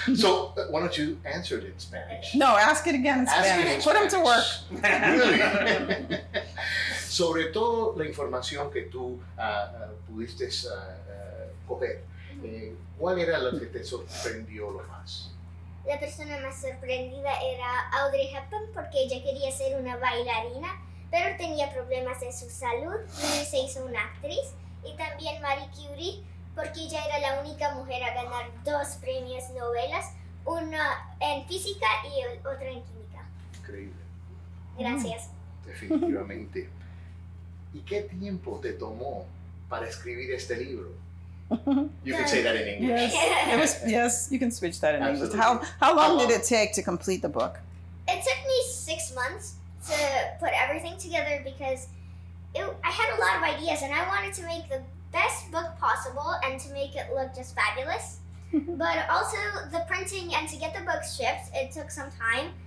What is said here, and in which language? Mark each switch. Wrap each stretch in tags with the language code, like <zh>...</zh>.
<en>So, why don't you answer it in Spanish? No, ask it again in Spanish. Ask it in Spanish. Put him to work. Really?</en> <es>Sobre todo la información que tú pudiste coger, ¿cuál era lo que te sorprendió lo más? La persona más sorprendida era Audrey Hepburn porque ella quería ser una bailarina. Pero tenía problemas de su salud y se hizo una actriz. Y también Marie Curie, porque ella era la única mujer a ganar dos premios novelas, una en física y otra en química. Increíble. Gracias. Definitivamente. ¿Y qué tiempo te tomó para escribir este libro?</es> <en>You can say that in English. Yes, you can switch that in Absolutely. English. How long did it take to complete the book? It took me 6 months. To put everything together because I had a lot of ideas and I wanted to make the best book possible and to make it look just fabulous. But also the printing and to get the book shipped, it took some time.</en>